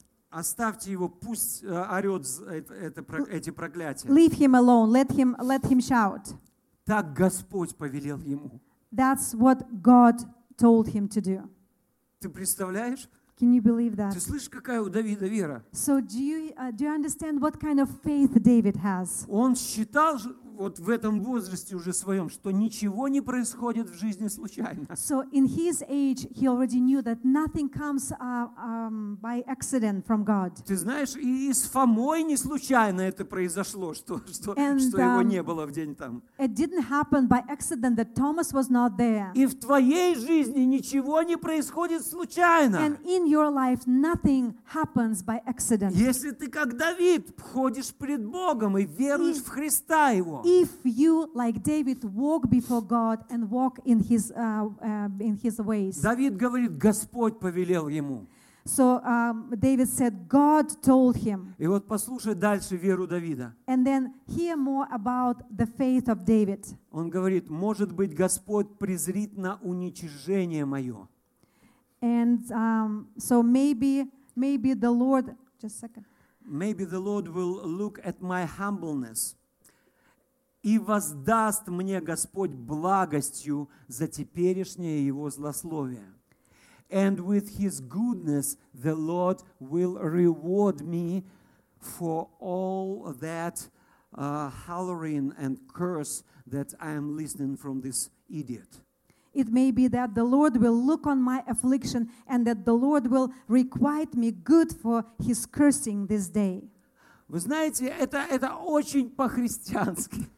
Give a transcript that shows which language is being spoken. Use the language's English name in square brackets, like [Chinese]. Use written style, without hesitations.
[Russian] Оставьте его, пусть орет эти проклятия. [English] Leave him alone, let him shout. [Russian] Так Господь повелел ему. [English] That's what God told him to do. [Russian] Ты представляешь? [English] Can you believe that? [Russian] Ты слышишь, какая у Давида вера? [English] So do you understand what kind of faith David has? [Russian] Он считал вот в этом возрасте уже своем, что ничего не происходит в жизни случайно. [English] So in his age he already knew that nothing comes by accident from God. [Russian] Ты знаешь, и с Фомой не случайно это произошло, что его не было в день там. [English] It didn't happen by accident that Thomas was not there. [Russian] И в твоей жизни ничего не происходит случайно. [English] And in your life nothing happens by accident. [Russian] Если ты как Давид ходишь пред Богом и веруешь в Христа Его. [English] If you, like David, walk before God and walk in His ways. [Russian] Давид говорит, Господь повелел ему. [English] So David said, God told him. [Russian] И вот послушай дальше веру Давида. [English] And then hear more about the faith of David. [Russian] Он говорит, может быть, Господь презрит на уничижение мое. [English] And so maybe the Lord, just a second. Maybe the Lord will look at my humbleness. И воздаст мне Господь благостью за теперешнее его злословие. And with his goodness the Lord will reward me for all that hollering and curse that I am listening from this idiot. It may be that the Lord will look on my affliction and that the Lord will requite me good for his cursing this day. [Russian] Вы знаете, это очень по-христиански.